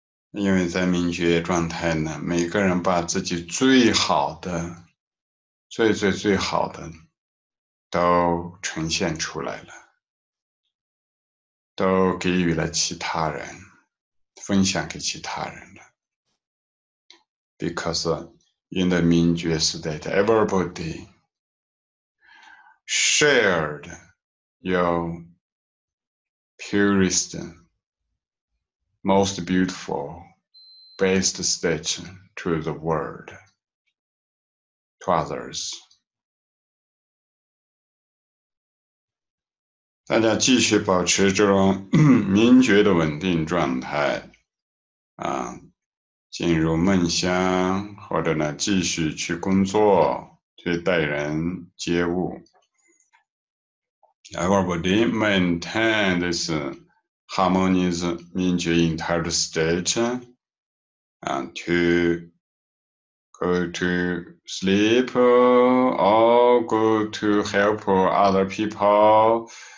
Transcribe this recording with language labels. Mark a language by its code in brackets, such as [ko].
[zh] 因为在Mingjue状态呢，每个人把自己最好的、最最最好的都呈现出来了。都给予了其他人，分享给其他人了。 [en] Because in the Mingjue state, everybody shared your purest, most beautiful, best state to the world, to others. [zh] 大家继续保持这种明觉的稳定状态啊，进入梦乡，或者呢继续去工作，去待人接物。 [en] Everybody maintain this harmonious 明觉 entire state and to go to sleep or go to help other people.